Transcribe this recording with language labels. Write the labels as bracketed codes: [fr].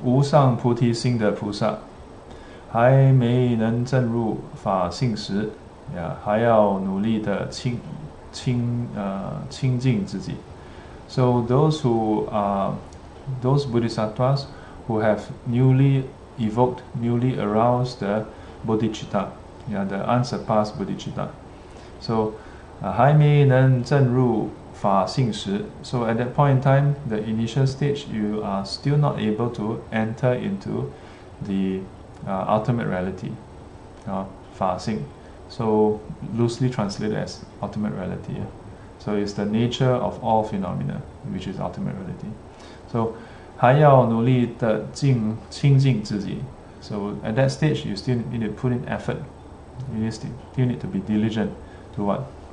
[zh] 初发无上菩提心的菩萨, 还没能证入法性时, 还要努力地清净自己. [en] So those who are those bodhisattvas who have newly evoked, newly aroused the bodhicitta, the unsurpassed bodhicitta. [zh] So 还没能证入法性时. [en] So at that point in time, the initial stage, you are still not able to enter into the ultimate reality, 法性. So loosely translated as ultimate reality. So it's the nature of all phenomena, which is ultimate reality. [zh] So 还要努力地清净自己. [en] So at that stage, you still need to put in effort. You still need to be diligent to what?